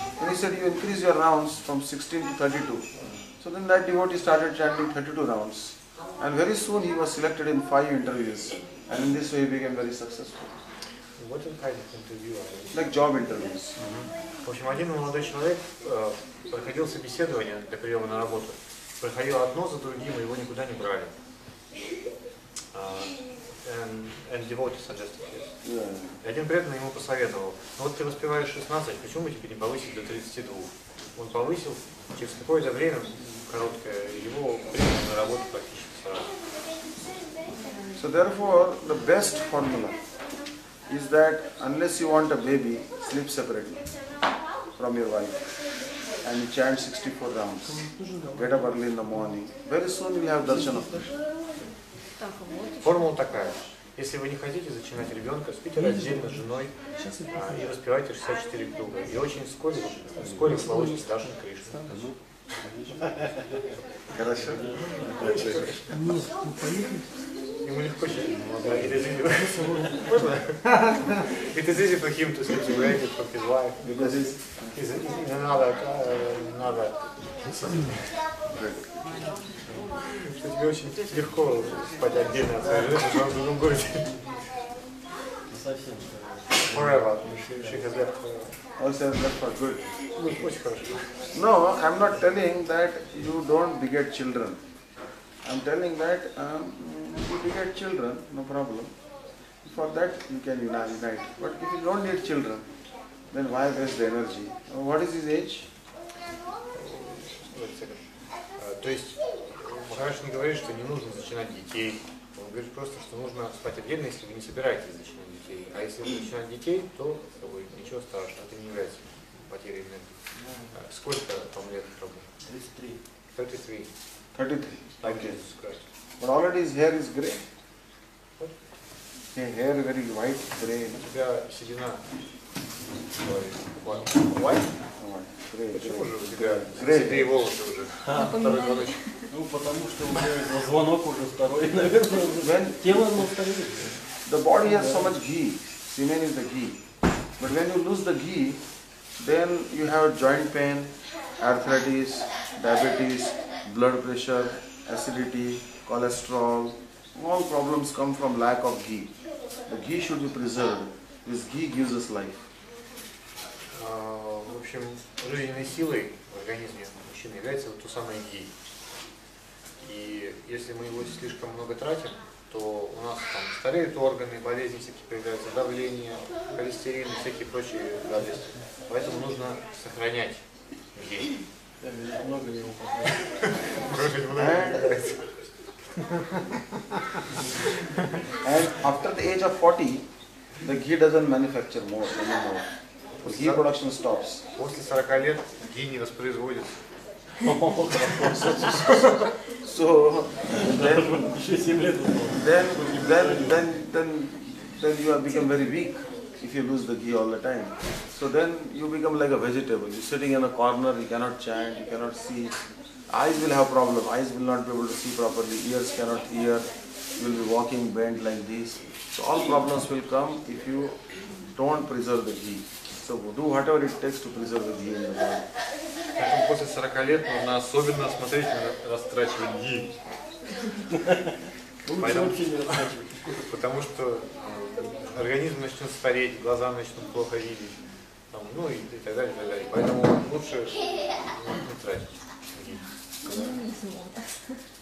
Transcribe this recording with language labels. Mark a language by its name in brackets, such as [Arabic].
[English] Then he said, you increase your rounds from 16 to 32. So then that devotee started chanting 32 rounds. And very soon he was selected in 5 interviews. And in this way he became very successful. What kind of interview are you? Like job interviews. [Russian] Mm-hmm. В общем, один молодой человек проходил собеседование для приема на работу. Проходил одно за другим, и его никуда не брали. [English] And devotee suggested this. Yeah. [Russian] И один преданный ему посоветовал. Ну вот ты воспеваешь 16, почему бы тебе не повысить до 32? Он повысил, через какое-то время, короткое, его приняли на работу практически сразу. [English] So therefore, the best formula is that unless you want a baby, sleep separately from your wife and you chant 64 rounds, get up early in the morning, very soon you have darshan of Krishna. [Russian] Формула такая. Если вы не хотите зачинать ребенка, спите раздельно с женой и распевайте 64 круга. И очень вскоре вы получите darshan Krishna. Хорошо? Нет, мы поехали. Ему легко сидеть. Можно? [English] It is easy for him to sleep separated from his wife. Because it's another... [Russian] Тебе очень легко спать отдельно от своей жизни, но в другом городе. Совсем. [English] Forever. She has left forever. Also has left for good. [Russian] Очень хорошо. [English] No, I'm not telling that you don't beget children. I'm telling that if you get children, no problem. For that you can unite. But if you don't need children, then why waste the energy? What is his age? [Russian] То есть Махараш не говорит, что не нужно зачинать детей. Он говорит просто, что нужно спать отдельно, если вы не собираетесь зачинать детей. А если вы зачинаете детей, то с тобой ничего страшного, это не является потерей энергии. Сколько там лет работы? 33. 33. [English] Like Jesus Christ. But already his hair is grey. His hair is very white, grey. [Russian] У тебя седина. [English] White? Grey. [Russian] Почему же у тебя седые волосы уже? Ну, потому что у меня звонок уже второй, наверное. Тело оно старое. [English] The body has so much ghee. Semen is the ghee. But when you lose the ghee, then you have joint pain, arthritis, diabetes, blood pressure, acidity, cholesterol, all problems come from lack of ghee. The ghee should be preserved. This ghee gives us life. [Russian] В общем, жизненной силой в организме мужчины является вот то самое ghee. И если мы его слишком много тратим, то у нас там стареют органы, болезни всякие появляются, давление, холестерин и всякие прочие гадости. Поэтому нужно сохранять ghee. [English] And after the age of 40, the ghee doesn't manufacture more anymore. The ghee production stops. [Russian] После 40 лет ghee не воспроизводит. [English] So then you have become very weak if you lose the ghee all the time. So then you become like a vegetable. You're sitting in a corner, you cannot chant, you cannot see. Eyes will have problem, eyes will not be able to see properly, ears cannot hear, you will be walking bent like this. So all problems will come if you don't preserve the ghee. So do whatever it takes to preserve the ghee in your body. [Russian] Поэтому после 40 лет нужно особенно смотреть на растрачивание ghee. Потому что организм начнет стареть, глаза начнут плохо видеть. Ну и так далее, и так далее. Поэтому лучше не тратить.